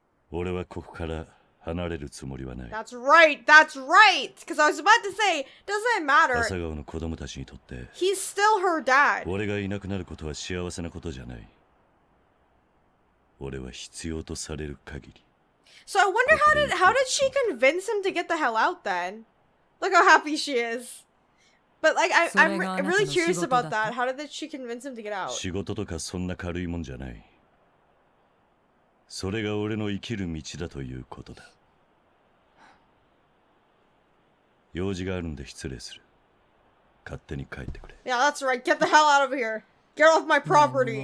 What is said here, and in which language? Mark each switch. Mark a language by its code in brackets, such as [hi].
[ja] 俺はここから離れるつもりはない。 [en] That's right. That's right. Because I was about to say, doesn't it matter? [ja] 朝顔の子供たちにとって、 [en] He's still her dad. [ja] 俺がいなくなることは幸せなことじゃない。俺は必要とされる限り。 [en] So I wonder how did she convince him to get the hell out then? Look how happy she is. But like I'm really curious about that. How did she convince him to get out? [ja] 仕事とかそんな軽いもんじゃない。それが俺の生きる道だということだ。用事があるんで失礼する。勝手に帰ってくれ。 [en] Yeah, that's right. Get the hell out of here. Get off my property.